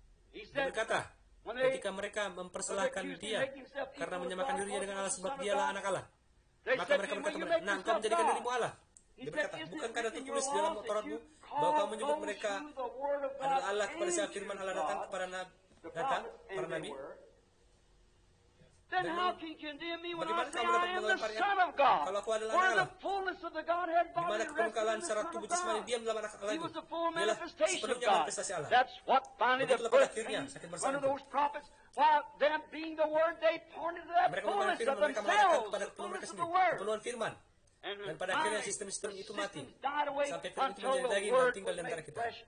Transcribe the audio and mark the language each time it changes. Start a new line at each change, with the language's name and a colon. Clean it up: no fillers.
Indonesian: Dia berkata, ketika mereka mempersalahkan dia karena menyamakan dirinya dengan Allah sebab dialah anak Allah, maka mereka berkata, nah engkau menjadikan dirimu Allah. Dia berkata, bukankah ada tertulis dalam Tauratmu bahwa kau menyebut mereka adalah Allah kepada siapa firman Allah datang kepada Nabi?
English: Then how can you condemn me when I say I am the Son of God? Where the fullness of the Godhead bodily rested in the Son of God. He was the full manifestation of God. That's what finally the birth came. One of those prophets, while them being the Word, they pointed to that fullness of themselves, the fullness of the Word.
Indonesian: Dan pada akhirnya sistem-sistem itu mati. Sampai terbentuk menjadi daging dan tinggal di antara kita.